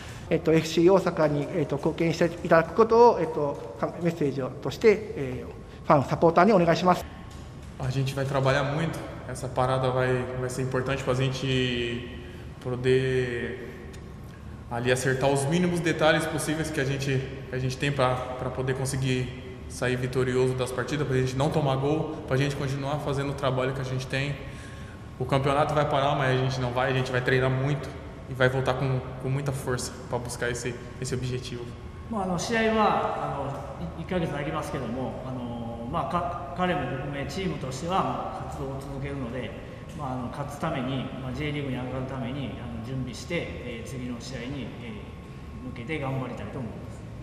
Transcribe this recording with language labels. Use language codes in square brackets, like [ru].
[ja] FC 大阪に、貢献していただくことを、メッセージとして、ファン、サポーターにお願いします。 [pt] A gente vai trabalhar muito. Essa parada vai ser importante para a gente poder... ali acertar os mínimos detalhes possíveis que a gente tem para poder conseguir sair vitorioso das partidas, para a gente não tomar gol, para a gente continuar fazendo o trabalho que a gente tem. O campeonato vai parar, mas a gente não vai, a gente vai treinar muito e vai voltar com muita força para buscar esse objetivo. [ja] まあ、試合は1ヶ月ありますけども、まあ、彼も含めチームとしては活動を続けるので、まあ、勝つために、まあ、J リーグに上がるために準備して、次の試合に、向けて頑張りたいと思います。